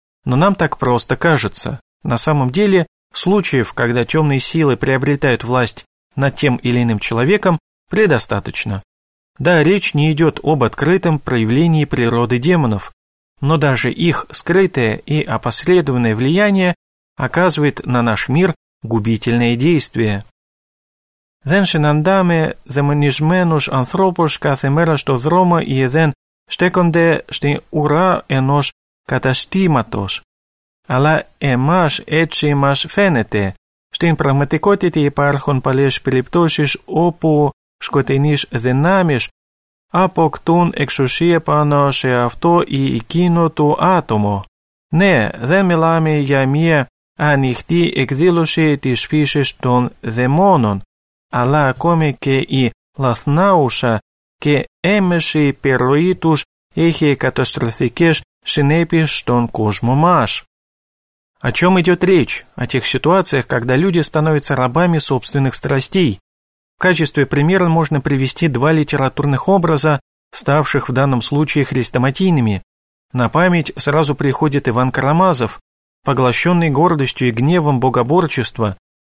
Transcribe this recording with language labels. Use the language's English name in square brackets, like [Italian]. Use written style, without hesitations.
[Russian] Но нам так просто кажется. На самом деле, случаев, когда темные силы приобретают власть над тем или иным человеком, предостаточно. Да, речь не идет об открытом проявлении природы демонов, но даже их скрытое и опосредованное влияние оказывает на наш мир губительное действие. [Greek] «Δεν συναντάμε δαιμονισμένους ανθρώπους κάθε μέρα στο δρόμο ή δεν στέκονται στην ουρά ενός καταστήματος, αλλά εμάς έτσι μας φαίνεται. Στην πραγματικότητα υπάρχουν πολλές περιπτώσεις όπου σκοτεινές δυνάμεις αποκτούν εξουσία πάνω σε αυτό ή εκείνο το άτομο. Ναι, δεν μιλάμε για μια ανοιχτή εκδήλωση της φύσης των δαιμόνων, αλλά ακόμη και η λαθνάουσα και έμεση περιοχή τους έχει καταστροφικές συνέπειες στον κόσμο μας». [Russian] О чем идет речь? О тех ситуациях, когда люди становятся рабами собственных страстей. В качестве примера можно привести два литературных образа, ставших в данном случае хрестоматийными. На память сразу приходит Иван Карамазов, поглощенный гордостью и гневом богоборчества.